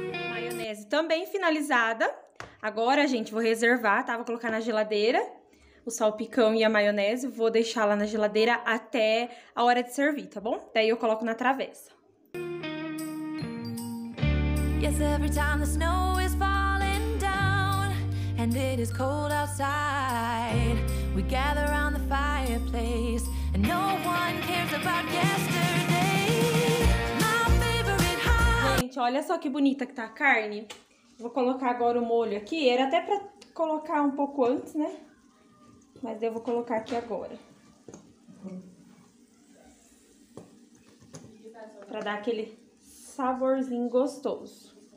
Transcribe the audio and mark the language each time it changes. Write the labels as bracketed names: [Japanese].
[Portuguese] Maionese também finalizada. Agora, gente, vou reservar, tá? Vou colocar na geladeira o salpicão e a maionese. Vou deixar lá na geladeira até a hora de servir, tá bom? Daí eu coloco na travessa. [English] Yes, every time the snow is falling down and it is cold outside, we gather around the fireplace and no one cares about yesterday. [Portuguese] My favorite heart. Gente, olha só que bonita que tá a carne. Vou colocar agora o molho aqui. Era até pra colocar um pouco antes, né? Mas eu vou colocar aqui agora. Pra dar aquele saborzinho gostoso.